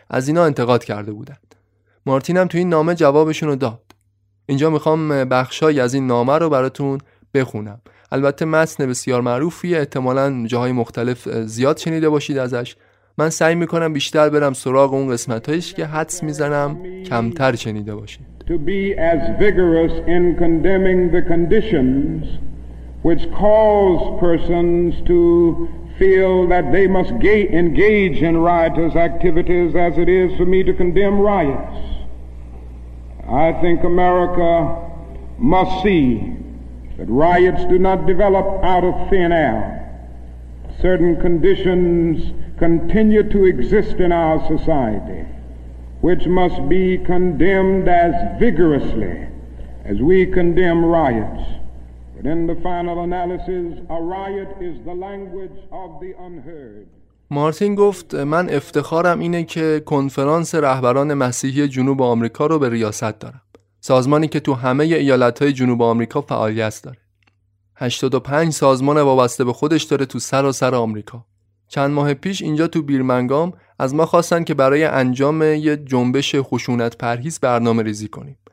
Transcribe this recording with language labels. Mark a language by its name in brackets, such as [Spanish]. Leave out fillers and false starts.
[Persian] از اینا انتقاد کرده بودند. مارتین هم توی این نامه جوابشون رو داد. اینجا می‌خوام بخشای از این نامه رو براتون بخونم. البته متن بسیار معروفیه، احتمالاً جاهای مختلف زیاد شنیده باشید ازش. من سعی می‌کنم بیشتر برم سراغ اون قسمتایش که حدس می‌زنم کمتر شنیده باشید. [English] To be as vigorous in condemning the conditions which cause persons to feel that they must engage in riotous activities as it is for me to condemn riots. I think America must see that riots do not develop out of thin air. Certain conditions continue to exist in our society, which must be condemned as vigorously as we condemn riots. But in the final analysis, a riot is the language of the unheard. [Persian] مارتین گفت من افتخارم اینه که کنفرانس رهبران مسیحی جنوب آمریکا رو به ریاست دارم. سازمانی که تو همه ایالت‌های جنوب آمریکا فعالیت داره. 85 سازمان وابسته به خودش داره تو سراسر آمریکا. چند ماه پیش اینجا تو بیرمنگام از ما خواستن که برای انجام یه جنبش خشونت پرهیز برنامه ریزی کنیم.